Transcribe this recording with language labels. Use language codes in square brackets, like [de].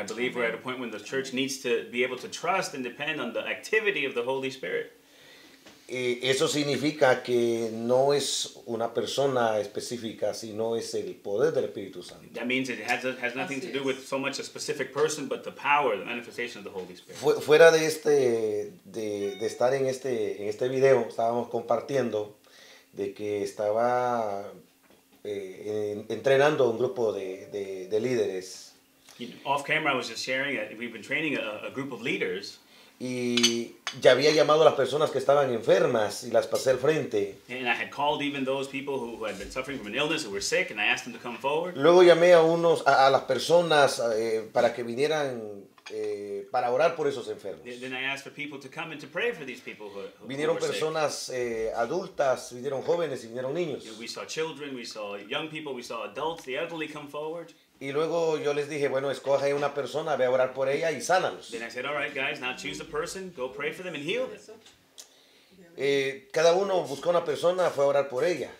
[en] But I believe we're at a point when the church needs to be able to trust and depend on the activity of the Holy Spirit. [es] Eso significa que no es una persona específica, sino es el poder del Espíritu Santo. [en] That means it has nothing to do with so much a specific person, but the power, the manifestation of the Holy Spirit. [es] Fuera de este, de estar en este video, estábamos compartiendo de que estaba entrenando un grupo de líderes. [en] Off camera, I was just sharing that we've been training a group of leaders. [es] Y ya había llamado a las personas que estaban enfermas y las pasé al frente. [en] And I had called even those people who had been suffering from an illness who were sick, and I asked them to come forward. [es] Luego llamé a las personas para que vinieran para orar por esos enfermos. [en] Then I asked for people to come and to pray for these people who were sick. [es] Vinieron personas adultas, vinieron jóvenes y vinieron niños. [en] We saw children, we saw young people, we saw adults, the elderly come forward. [es] Y luego yo les dije, bueno, escoge una persona, ve a orar por ella y sánalos. [en] Then I said, all right, guys, now choose a person, go pray for them and heal them. [es] Cada uno buscó una persona, fue a orar por ella.